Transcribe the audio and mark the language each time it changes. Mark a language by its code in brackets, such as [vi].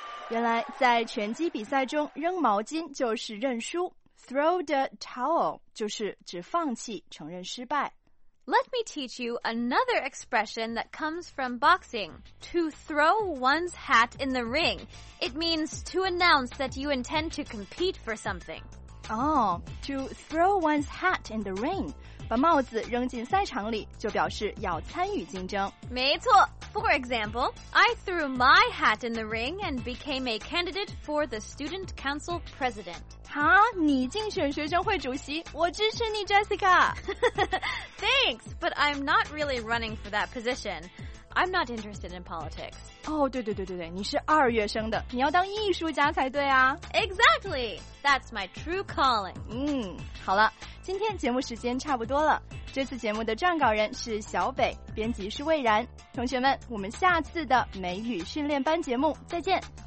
[zh] 原来在拳击比赛中扔毛巾就是认输。 [en] Throw the towel [zh] 就是指放弃，承认失败。 [en] Let me teach you another expression that comes from boxing. To throw one's hat in the ring. It means to announce that you intend to compete for something. Oh, to throw one's hat in the ring. [zh] 把帽子扔进赛场里就表示要参与竞争。没错。 [en] For example, I threw my hat in the ring and became a candidate for the student council president. [zh] 哈，你竞选学生会主席，我支持你 Jessica. [en] Thanks, but I'm not really running for that position. I'm not interested in politics. [zh] Oh, 对对对对对，你是二月生的，你要当艺术家才对啊。 [en] Exactly, that's my true calling. [zh] 好了，今天节目时间差不多了。这次节目的撰稿人是小北，编辑是魏然。同学们，我们下次的美语训练班节目再见，